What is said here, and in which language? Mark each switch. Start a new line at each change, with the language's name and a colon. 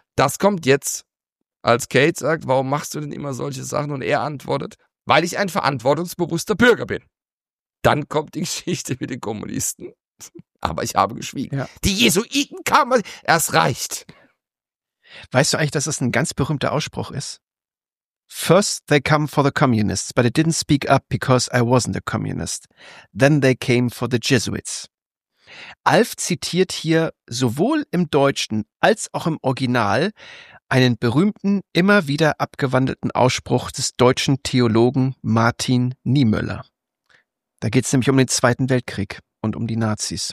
German: Das kommt jetzt, als Kate sagt, warum machst du denn immer solche Sachen? Und er antwortet, weil ich ein verantwortungsbewusster Bürger bin. Dann kommt die Geschichte mit den Kommunisten. Aber ich habe geschwiegen. Ja. Die Jesuiten kamen, es reicht. Weißt du eigentlich, dass das ein ganz berühmter Ausspruch ist?
English: First they come for the communists, but I didn't speak up because I wasn't a communist. Then they came for the Jesuits.
German: Alf zitiert hier sowohl im Deutschen als auch im Original einen berühmten, immer wieder abgewandelten Ausspruch des deutschen Theologen Martin Niemöller. Da geht es nämlich um den Zweiten Weltkrieg und um die Nazis.